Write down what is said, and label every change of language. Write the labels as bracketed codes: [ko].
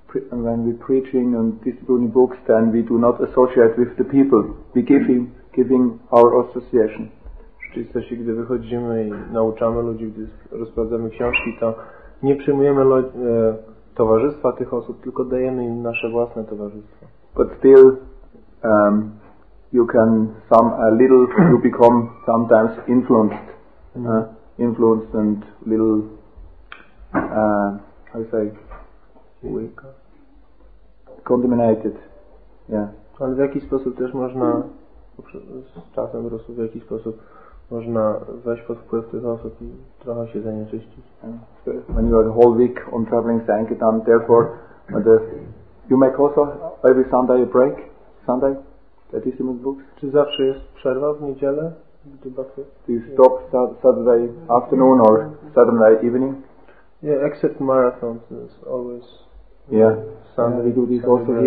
[en] when we're preaching and distributing books, then we do not associate with the people. We giving our association. [pl] Czyli gdy wychodzimy i nauczamy ludzi, gdy rozprowadzamy książki, to nie przyjmujemy towarzystwa tych osób, tylko dajemy im nasze własne towarzystwo. [en] But still, you can some a little you become sometimes influenced, influenced and little, how say, weak, contaminated, yeah. [pl] Ale w jakiś sposób też można z czasem rosnąć, w jakiś sposób można wejść pod wpływ tych osób i trochę się zanieczyścić. [en] When you are the whole week on traveling Sankirtan, therefore, the, you make also every Sunday a break, Sunday, the distribute books. [pl] Czy zawsze jest przerwa w niedzielę? [en] Do you stop Saturday afternoon or Saturday evening? Yeah, except marathons, it's always Sunday. Yeah, we do this Sunday also here.